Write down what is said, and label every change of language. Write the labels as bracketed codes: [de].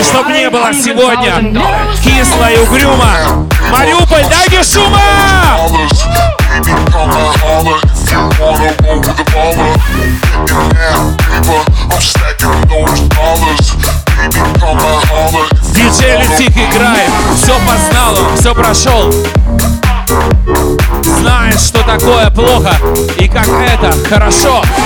[ru] И чтоб не было сегодня кисло и угрюмо, Мариуполь, дай мне шума! [en] dollars. Baby, come and holler if you wanna roll with the baller. Getting that paper, I'm stacking on those dollars. Baby, come and holler. [ru] Диджей Люсик играет, все познал, все прошел. Знаешь, что такое плохо и как это хорошо.